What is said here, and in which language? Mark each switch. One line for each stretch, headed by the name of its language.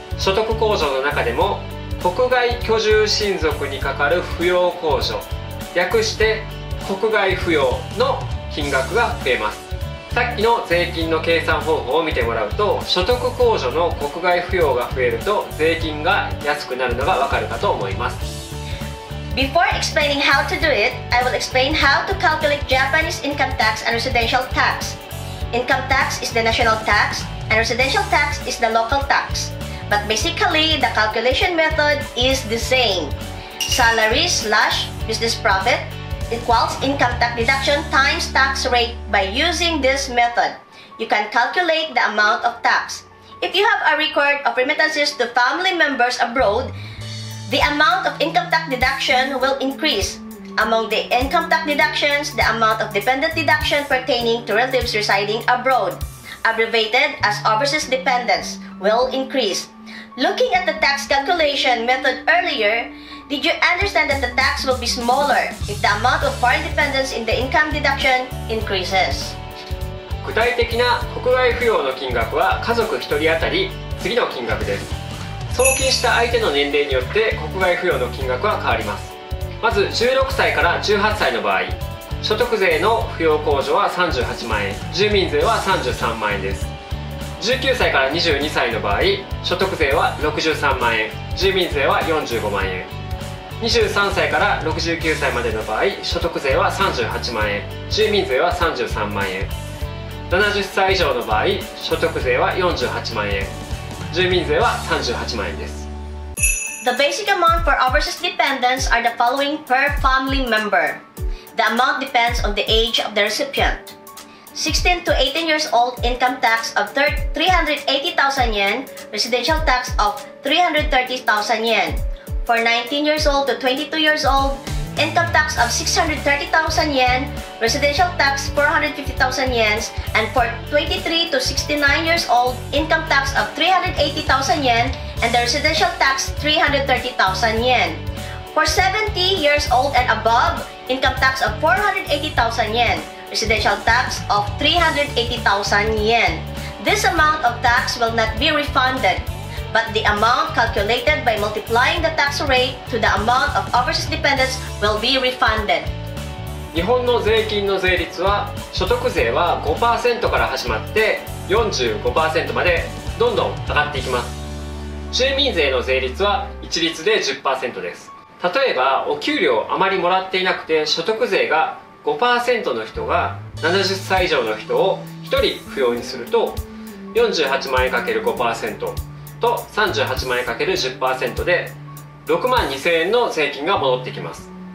Japanese: 所得控除の中でも国外居住親族にかかる扶養控除、略して国外扶養の金額が増えます。さっきの税金の計算方法を見てもらうと、所得控除の国外扶養が増えると税金が安くなるのがわかるかと思います。
English: Before explaining how to do it, I will explain how to calculate Japanese income tax and residential tax. Income tax is the national tax, and residential tax is the local tax. But basically, the calculation method is the same. Salary slash business profit equals income tax deduction times tax rate by using this method. You can calculate the amount of tax. If you have a record of remittances to family members abroad, the amount of income tax deduction will increase. Among the income tax deductions, the amount of dependent deduction pertaining to relatives residing abroad, abbreviated as overseas dependents, will increase. Looking at the tax calculation method earlier, did you understand that the tax will be smaller if the amount of foreign dependents in the income deduction increases?
Japanese: 具体的な国外扶養の金額は家族1人当たり次の金額です。送金した相手の年齢によって国外扶養の金額は変わります。まず16歳から18歳の場合、所得税の扶養控除は38万円、住民税は33万円です。 19歳から22歳の場合、所得税は63万円、住民税は45万円。 23歳から69歳までの場合、所得税は38万円、住民税は33万円。 70歳以上の場合、所得税は48万円、住民税は38万円です。
English: The basic amount for overseas dependents are the following per family member. The amount depends on the age of the recipient. 16 to 18 years old income tax of 380,000 yen, residential tax of 330,000 yen. For 19 years old to 22 years old, income tax of 630,000 yen, residential tax 450,000 yen, and for 23 to 69 years old, income tax of 380,000 yen, and the residential tax 330,000 yen. For 70 years old and above, income tax of 480,000 yen. Residential tax of 380,000 yen. This amount of tax will not be refunded, but the amount calculated by multiplying the tax rate to the amount of overseas dependents will be refunded.
Japanese: 日本の税金の税率は所得税は 5% から始まって 45% までどんどん上がっていきます。住民税の税率は一律で 10% です。例えばお給料あまりもらっていなくて所得税が5% の人が70歳以上の人を1人扶養にすると48万円 ×5% と38万円 ×10% で6万2000円の税金が戻ってきます。